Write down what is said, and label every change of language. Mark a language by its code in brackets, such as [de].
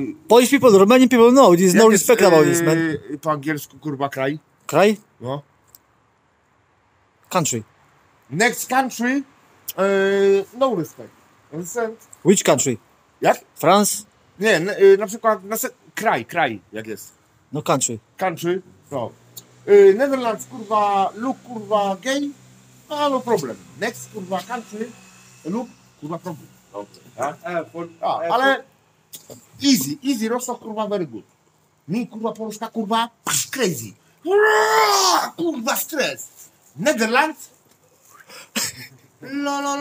[en] Polish people, Romanian people, no, there is no respect about this, man. [pl] Po angielsku, kurwa, kraj? Kraj? No. [en] Country. Next country, no respect. Understand? Which country? [pl] Jak? [en] France? [pl] Nie, na przykład, kraj, jak jest. [en] No country. Country, no. Netherlands, kurwa, look, kurwa, gay, no problem. Next, kurwa, country, look. Kurwa, problem. Ale easy, Rosso, kurwa, very good. [pl] Mi, kurwa, Polska, kurwa, crazy. Kurwa, stres. Netherlands. Lo.